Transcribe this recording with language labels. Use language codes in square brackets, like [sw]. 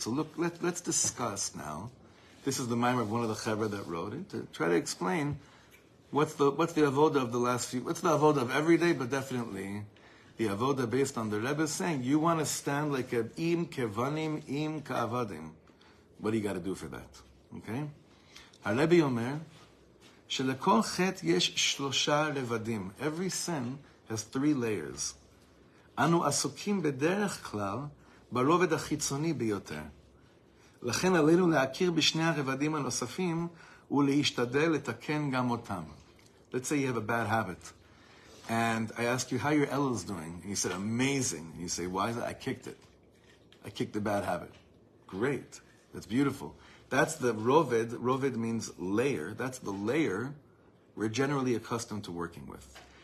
[en] So look, let's discuss now. This is the mimer of one of the chevra that wrote it, to try to explain what's the avoda of the last few, what's the avoda of every day, but definitely the avoda based on the Rebbe saying, you want to stand like a im kevanim im ka'avadim. What do you got to do for that? Okay? [he] HaRebbe Yomer, shelekol chet yesh shlosha levadim. [en] Every sin has three layers. [he] אנו עסוקים בדרך כלל ברובד החיצוני ביותר. לכן עלינו להכיר בשני הרבדים הנוספים ולהשתדל לתקן גם אותם. [en] Let's say you have a bad habit. And I ask you, how your Elul is doing? And you said, amazing. And you say, why is that? I kicked it. I kicked the bad habit. Great. That's beautiful. That's the rovid. Rovid means layer. That's the layer we're generally accustomed to working with.